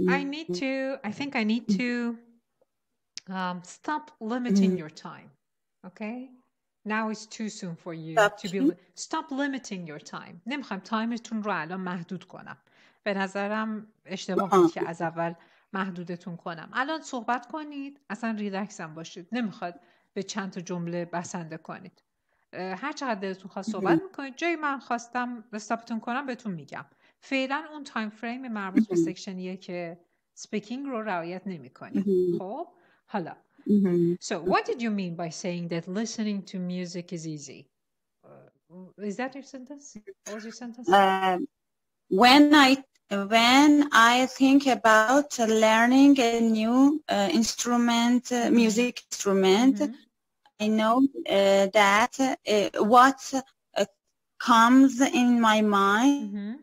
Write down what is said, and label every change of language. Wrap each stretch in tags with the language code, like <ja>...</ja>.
<en>I think I need to stop limiting your time. Okay? Now it's too soon for you to be stop limiting your time.</en> <fa>نمیخوام تایمتون رو الان محدود کنم. به نظرم اشتباهی که از اول محدودتون کنم. الان صحبت کنید. اصلا ریلکس هم باشید. نمیخواد به چند تا جمله بسنده کنید. هر چقدر دلتون خواست صحبت میکنید. جایی من خواستم استاپتون کنم بهتون میگم. فعلا اون تایم فریم مربوط به سکشنیه که سپیکینگ رو رعایت نمی کنی. خب حالا</fa> <en>So what did you mean by saying that listening to music is easy? Is that your sentence? What was your sentence? When I think about learning a new instrument, music instrument, I know that what comes in my mind.</en>